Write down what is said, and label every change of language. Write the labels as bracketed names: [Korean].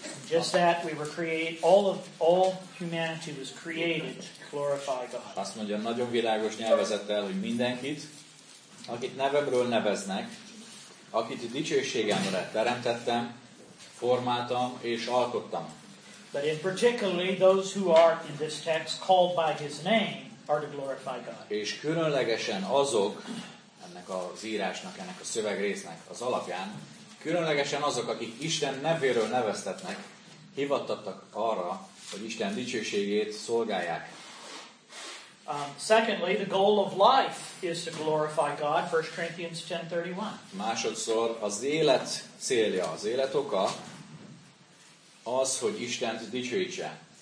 [English] Just that we were created, all humanity was created to glorify God. [Hungarian] Azt mondja, nagyon világos nyelvezettel, hogy mindenkit, akit nevemről neveznek, akit dicsőségemre teremtettem, formáltam és alkottam. [English] But in particularly those who are in this text called by his name are to glorify God. [Hungarian] És különlegesen azok ennek az írásnak, ennek a szövegrésznek az alapján, különlegesen azok, akik Isten nevéről neveztetnek, hivattattak arra, hogy Isten dicsőségét szolgálják. [English] Secondly, the goal of life is to glorify God, 1 Corinthians 10:31. [Hungarian] Másodszor, az élet célja, az élet oka az, hogy Istent dicsőítse.